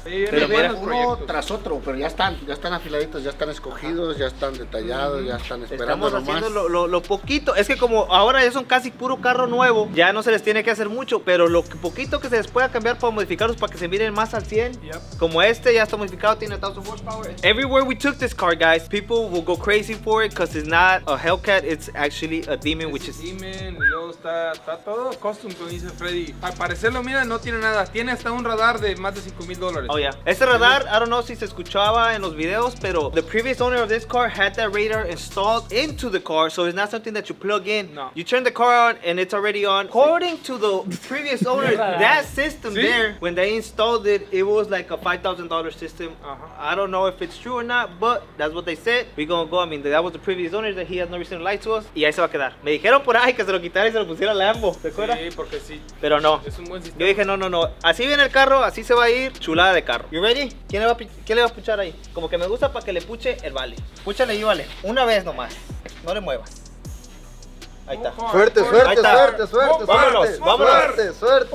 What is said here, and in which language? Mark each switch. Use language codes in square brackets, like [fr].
[es] Pero mira, uno tras otro, pero ya están afiladitos, ya están escogidos, ajá. Ya están detallados, ya están esperando. Estamos haciendo lo poquito. Es que como ahora ya son casi puro carro nuevo, ya no se les tiene que hacer mucho, pero lo poquito que se les pueda cambiar para modificarlos para que se miren más al 100. [en] Yep. [es] Como este ya está modificado, tiene 1,000 horsepower. [en] Everywhere we took this car, guys, people will go crazy for it because it's not a Hellcat, it's actually a demon, which is [es] demon. Y luego está todo custom, como dice Freddy. Al parecer lo miran, no tiene nada, tiene hasta un radar de más de $5,000. [en] Oh, yeah. Ese radar, I don't know [es] si se escuchaba en los videos, pero [en] the previous owner of this car had that radar installed into the car, so it's not something that you plug in. No. You turn the car on and it's already on. According to the previous owner, that system, ¿sí? There, when they installed it, it was like a $5,000 system. Uh-huh. I don't know if it's true or not, but that's what they said. We're gonna go. I mean, that was the previous owner that he has never seen a light to us. [es] Y ahí se va a quedar. Me dijeron por ahí que se lo [en] quitaron y se lo [es] pusiera Lambo, ¿te acuerdas? Sí, porque sí. Pero no. Es un buen sistema. Yo dije, no, no, no. Así viene el carro, así se va a ir. Chulada de carro. [en] You ready? [es] ¿Quién le va a, ¿quién le va a puchar ahí? Como que me gusta para que le puche el Vale. Púchale ahí, Vale. Una vez nomás. No le muevas. Ahí está. Suerte, suerte, está. Suerte, suerte, suerte. Vámonos, suerte, vámonos. Suerte, suerte.